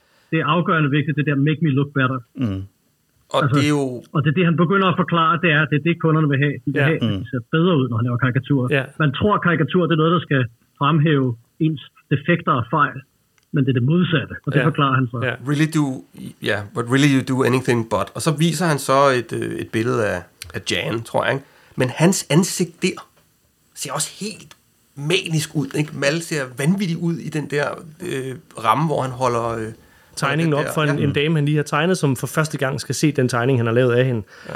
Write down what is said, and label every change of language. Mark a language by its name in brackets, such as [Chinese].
[Danish] Det er afgørende vigtigt, det der [English] make me look better. [Danish] Mm. Og altså, det er jo... Og det han begynder at forklare, det er, at det er det, kunderne vil have. De vil have, at de ser bedre ud, når han laver karikatur. [English] Yeah. [Danish] Man tror, at karikatur det er noget, der skal fremhæve ens defekter og fejl, men det er det modsatte, og det forklarer han så. [English] Yeah. Really do, yeah, but really you do anything but. [Danish] Og så viser han så et billede af Jan, tror jeg. Men hans ansigt der ser også helt manisk ud, ikke? Mal ser vanvittigt ud i den der ramme, hvor han holder tegningen op for en dame, han lige har tegnet, som for første gang skal se den tegning, han har lavet af hende. Ja.